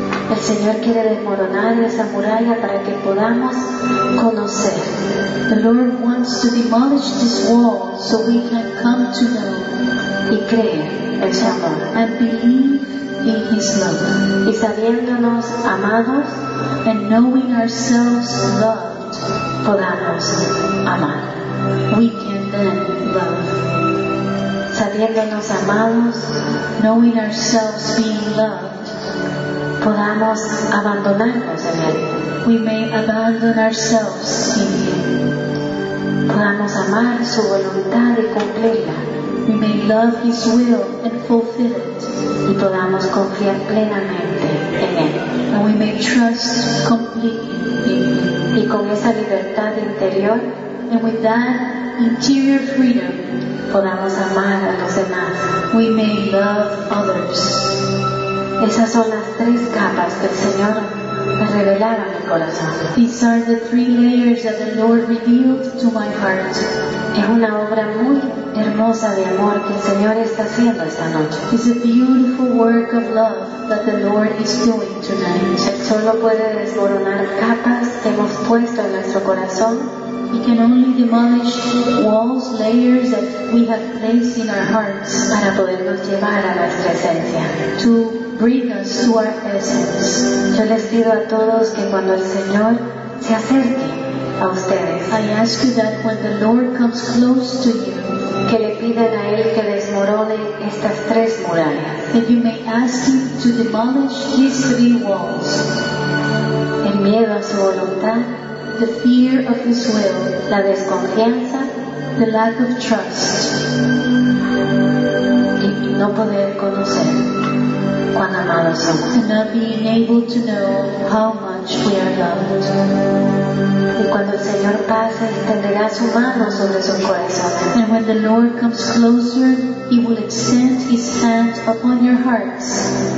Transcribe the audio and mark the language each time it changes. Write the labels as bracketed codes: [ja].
[es] El Señor quiere desmoronar esa muralla para que podamos conocer. [en] The Lord wants to demolish this wall so we can come to know [es] y creer en su amor. [en] And believe in His love. [es] Y sabiéndonos amados, [en] and knowing ourselves loved, [es] podamos amar. [en] We can then love. [es] Sabiéndonos amados, [en] knowing ourselves being loved, [es] podamos abandonarnos en Él. [en] We may abandon ourselves in Him. [es] Podamos amar su voluntad y cumplirla. [en] We may love His will and fulfill it. [es] Y podamos confiar plenamente en Él. [en] And we may trust completely in Him. [es] Y con esa libertad interior, [en] and with that interior freedom, [es] podamos amar a los demás. [en] We may love others. [es] Esas son las tres capas que el Señor ha revelado en mi corazón. [en] These are the three layers that the Lord revealed to my heart. [es] Es una obra muy hermosa de amor que el Señor está haciendo esta noche. [en] It's a beautiful work of love that the Lord is doing tonight. [es] Él solo puede desmoronar capas que hemos puesto en nuestro corazón. [en] He can only demolish walls, layers that we have placed in our hearts [es] para podernos llevar a nuestra esencia. [en] To bring us to our essence. [es] Yo les pido a todos que cuando el Señor se acerque a ustedes, [en] I ask you that when the Lord comes close to you, [es] que le pidan a Él que desmorone estas tres murallas. [en] That you may ask Him to demolish these three walls. [es] El miedo a su voluntad, [en] the fear of His will, [es] la desconfianza, [en] the lack of trust, [es] y no poder conocer cuán amados somos. [en] And not being able to know how much we are loved. [es] Y cuando el Señor pase, extenderá su mano sobre su corazón. [en] And when the Lord comes closer, He will extend His hand upon your hearts.